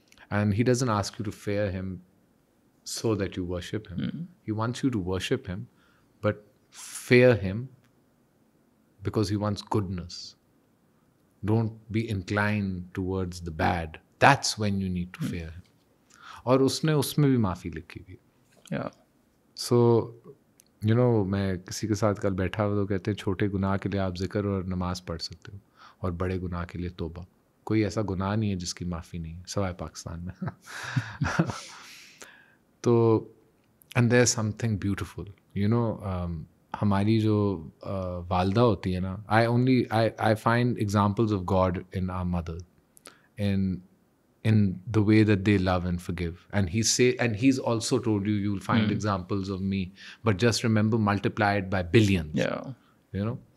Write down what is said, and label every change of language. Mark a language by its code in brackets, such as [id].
[en] And he doesn't ask you to fear him so that you worship him. Mm-hmm. He wants you to worship him, but fear him because he wants goodness. Don't be inclined towards the bad. That's when you need to fear him. [ur] Aur usne usme bhi maafi likhi thi. [en] Yeah. [ur] So, you know میں کسی کے ساتھ کل بیٹھا ہوا تو کہتے ہیں چھوٹے گناہ کے لیے آپ ذکر اور نماز پڑھ سکتے ہو اور بڑے گناہ کے لیے توبہ. کوئی ایسا گناہ نہیں ہے جس کی معافی نہیں ہے سوائے پاکستان میں. [en] تو and there something beautiful you know [ur] ہماری جو والدہ ہوتی ہے نا, [en] I find examples of God in our mother in the way that they love and forgive and he say and he is also told you you will find examples of me but just remember multiplied by billions you know